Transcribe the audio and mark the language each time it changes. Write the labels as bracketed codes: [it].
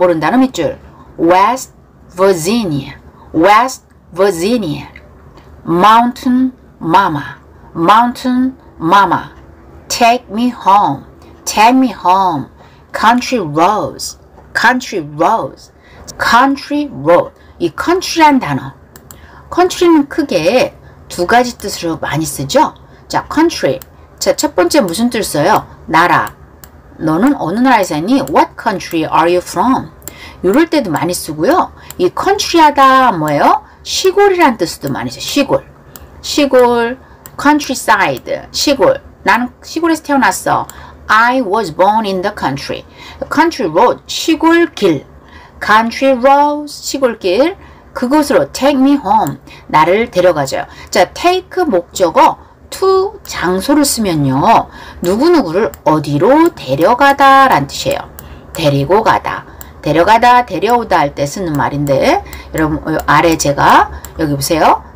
[ko] 모른다는 밑줄. [en] West Virginia, West Virginia. Mountain mama, mountain mama. Take me home, take me home. Country roads, country roads, country road. [ko] 이 country란 단어. Country는 크게 두 가지 뜻으로 많이 쓰죠. 자, country. 자, 첫 번째 무슨 뜻 써요? 나라. 너는 어느 나라에서 있니? [en] What country are you from? [ko] 이럴 때도 많이 쓰고요. 이 country하다 뭐예요? 시골이란 뜻도 많이 써요. 시골, 시골, countryside, 시골. 나는 시골에서 태어났어. [en] I was born in the country. Country road, 시골길. Country roads, 시골길. [ko] 그곳으로 [en] take me home, [ko] 나를 데려가죠. 자, take 목적어, to 장소를 쓰면요. 누구누구를 어디로 데려가다 라는 뜻이에요. 데리고 가다. 데려가다, 데려오다 할 때 쓰는 말인데 여러분 아래 제가 여기 보세요.